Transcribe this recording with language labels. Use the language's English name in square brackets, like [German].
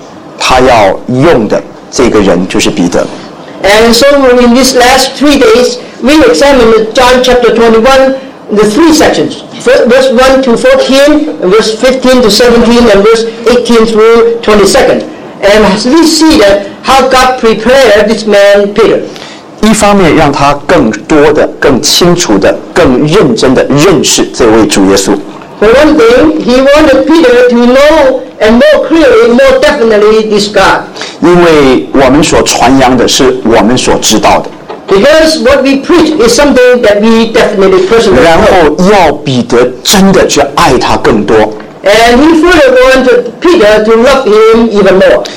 [Chinese] 所以在约翰福音21章，我们看见从1节到14节、15节到17节、18节到22节三段的经文里面，我们看见主耶稣如何的装备他要用的这个人，就是彼得。 [English] And so in these last 3 days, we examined John chapter 21, the 3 sections, verse 1 to 14, verse 15 to 17, and verse 18 through 22nd. And we see that how God prepared this man, Peter. [Chinese] 一方面让他更多的、更清楚的、更认真的认识这位主耶稣。 [English] For one thing, he wanted Peter to know and more clearly, more definitely this God. [Chinese] 因为我们所传扬的是我们所知道的。 [English] Because what we preach is something that we definitely personally know. [Chinese] 然后要彼得真的去爱他更多。 [English] And he further wanted Peter to love him even more.